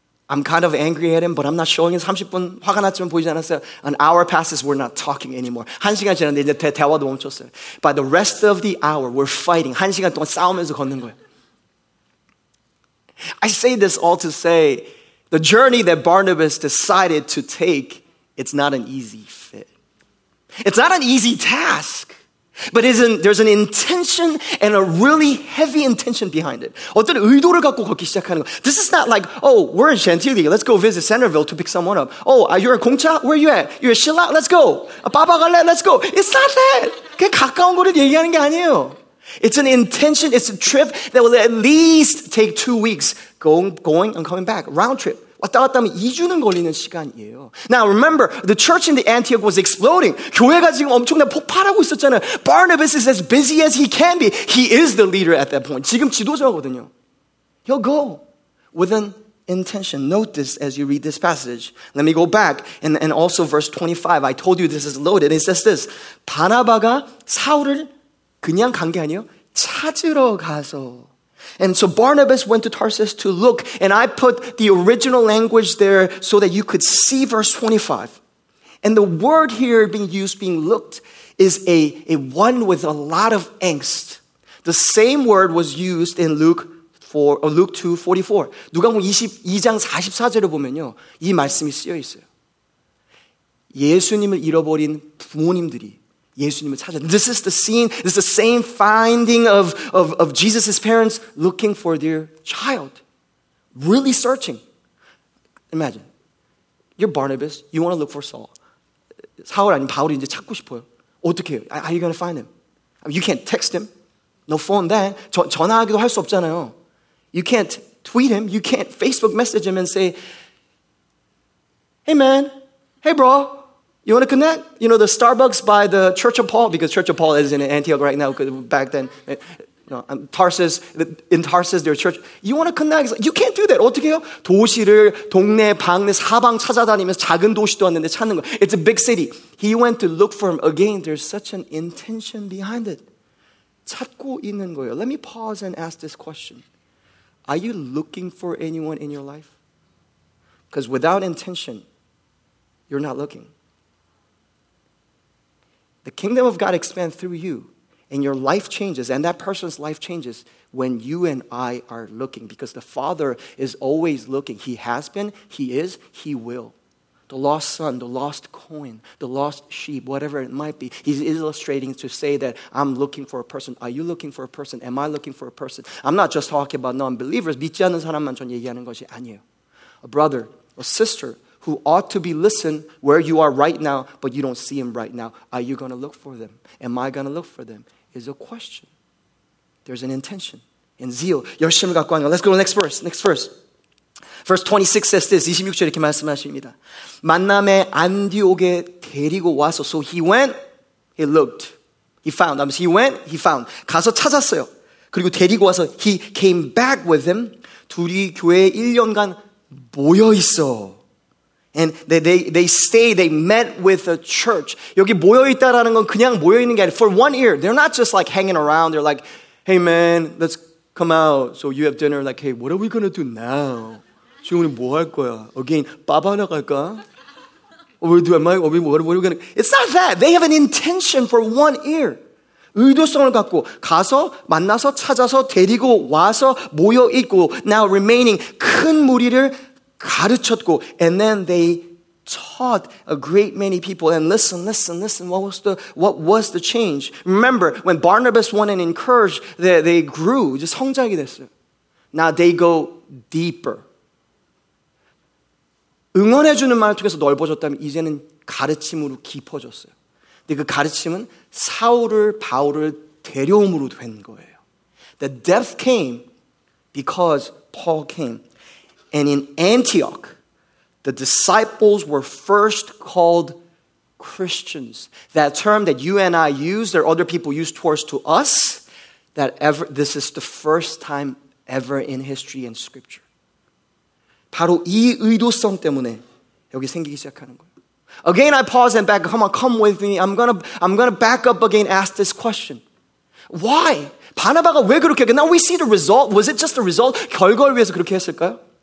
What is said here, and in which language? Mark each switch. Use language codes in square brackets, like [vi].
[en] I'm kind of angry at him, but I'm not showing him. [ko] 30분 화가 났지만 보이지 않았어요. [en] An hour passes, we're not talking anymore. [ko] 한 시간 지났는데 이제 대화도 멈췄어요. [en] By the rest of the hour, we're fighting. [ko] 한 시간 동안 싸우면서 걷는 거예요. [en] I say this all to say, the journey that Barnabas decided to take, it's not an easy fit. It's not an easy task. But there's an intention and a really heavy intention behind it. [ko] 어떤 의도를 갖고 걷기 시작하는 거. [en] This is not like, oh, we're in Gentilly. Let's go visit Centerville to pick someone up. Oh, you're in Gongcha? Where are you at? You're in Shilla? Let's go. [ko] 바바 갈래? [en] Let's go. It's not that. [ko] 그냥 가까운 거를 얘기하는 게 아니에요. [en] It's an intention. It's a trip that will at least take 2 weeks going and coming back. Round trip. [ko] 왔다 갔다 하면 2주는 걸리는 시간이에요. [en] Now remember, the church in the Antioch was exploding. [ko] 교회가 지금 엄청난 폭발하고 있었잖아요. [en] Barnabas is as busy as he can be. He is the leader at that point. [ko] 지금 지도자거든요. [en] He'll go with an intention. Note this as you read this passage. Let me go back. And also verse 25. I told you this is loaded. It says this. [ko] 바나바가 사울을 그냥 간 게 아니에요. 찾으러 가서. [en] And so Barnabas went to Tarsus to look, and I put the original language there so that you could see verse 25. And the word here being used, being looked, is a one with a lot of angst. The same word was used in Luke 2:44. [ko] 누가복음 22장 44절을 보면요, 이 말씀이 쓰여 있어요. 예수님을 잃어버린 부모님들이 예수님을 찾아. [en] This is the scene. This is the same finding of Jesus' parents looking for their child. Really searching. Imagine. You're Barnabas. You want to look for Saul. [ko] 사울 아니면 바울이 이제 찾고 싶어요. 어떻게 해요? [en] How are you going to find him? I mean, you can't text him. No phone then. [ko] 전화하기도 할 수 없잖아요. [en] You can't tweet him. You can't Facebook message him and say, hey man, hey bro. You want to connect? You know, the Starbucks by the Church of Paul, because Church of Paul is in Antioch right now, because back then, no, Tarsus, in Tarsus, their church. You want to connect? You can't do that. [ko] 어떻게 해요? 도시를 동네, 방네, 사방 찾아다니면서 작은 도시도 왔는데 찾는 거. [en] It's a big city. He went to look for him. Again, there's such an intention behind it. [ko] 찾고 있는 거예요. [en] Let me pause and ask this question. Are you looking for anyone in your life? Because without intention, you're not looking. The kingdom of God expands through you, and your life changes, and that person's life changes when you and I are looking, because the Father is always looking. He has been, He is, He will. The lost son, the lost coin, the lost sheep, whatever it might be, He's illustrating to say that I'm looking for a person. Are you looking for a person? Am I looking for a person? I'm not just talking about non-believers. [ko] 믿지 않는 사람만 전 얘기하는 것이 아니에요. [en] A brother, a sister, who ought to be listened where you are right now, but you don't see him right now. Are you going to look for them? Am I going to look for them? Is a question. There's an intention and zeal. [ko] 열심을 갖고 하는 거. [en] Let's go to the next verse. Next verse. Verse 26 says this. [ko] 26절 이렇게 말씀하십니다. 만남에 안디옥에 데리고 와서. [en] So he went. He looked. He found. He went, he found. [ko] 가서 찾았어요. 그리고 데리고 와서 [en] he came back with him. [ko] 둘이 교회에 1년간 모여 있어. [en] And they stay, they met with the church. [ko] 여기 모여 있다라는 건 그냥 모여 있는 게 아니라 [en] for one year. They're not just like hanging around. They're like, hey man, let's come out. So you have dinner. Like, hey, what are we going to do now? [ko] 지금 우리 뭐 할 거야? Again, 밥 하나 갈까? [en] It's not that. They have an intention for one year. [ko] 의도성을 갖고 가서 만나서 찾아서 데리고 와서 모여 있고 [en] now remaining [ko] 큰 무리를 가르쳤고 [en] and then they taught a great many people and listen, what was the change? Remember, when Barnabas went and encouraged, they grew, [ko] 이제 성장이 됐어요. [en] Now they go deeper. [ko] 응원해주는 말을 통해서 넓어졌다면 이제는 가르침으로 깊어졌어요. 근데 그 가르침은 사울을 바울을 데려옴으로 된 거예요. [en] The death came because Paul came. And in Antioch, the disciples were first called Christians. That term that you and I use, that other people use towards to us, that ever, this is the first time ever in history and scripture. [ko] 바로 이 의도성 때문에 여기 생기기 시작하는 거예요. [en] Again, I pause and back. Come on, come with me. I'm gonna back up again. Ask this question: Why? [ko] 바나바가 왜 그렇게? 했을까? [en] Now we see the result. Was it just the result? [ko] 결과를 위해서 그렇게 했을까요?